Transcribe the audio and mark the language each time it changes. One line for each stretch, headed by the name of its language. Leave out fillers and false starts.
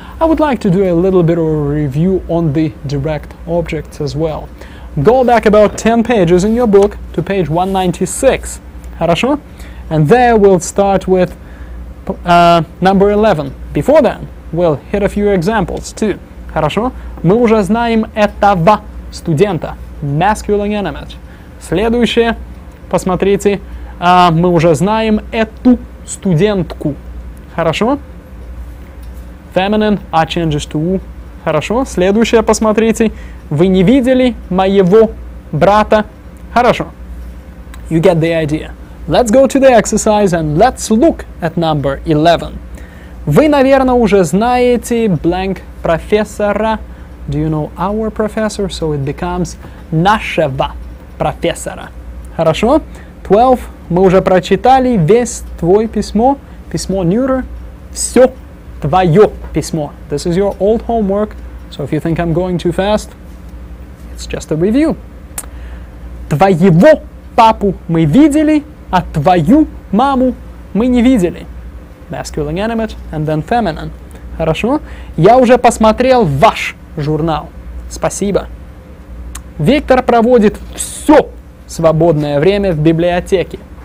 English: I would like to do a little bit of a review on the direct objects as well. Go back about 10 pages in your book to page 196.
Russian: Хорошо?
English: And there we'll start with number 11. Before then, we'll hit a few examples too.
Russian: Хорошо? Мы уже знаем этого студента.
English: Masculine animate.
Russian: Следующее, посмотрите. Мы уже знаем эту студентку.
English: Хорошо? Feminine, а changes to u.
Russian: Хорошо? Следующее, посмотрите. Вы не видели моего брата? Хорошо.
English: You get the idea. Let's go to the exercise and let's look at number 11.
Russian: Вы, наверное, уже знаете blank профессора.
English: Do you know our professor? So it becomes
Russian: нашего профессора. Хорошо? 12. Мы уже прочитали весь твой письмо. Письмо neuter. Все твое письмо.
English: This is your old homework. So if you think I'm going too fast, it's just a review.
Russian: Твоего папу мы видели, а твою маму мы не видели.
English: Masculine animate and then feminine.
Russian: Хорошо. Я уже посмотрел ваш журнал. Спасибо. Виктор проводит все свободное время в библиотеке.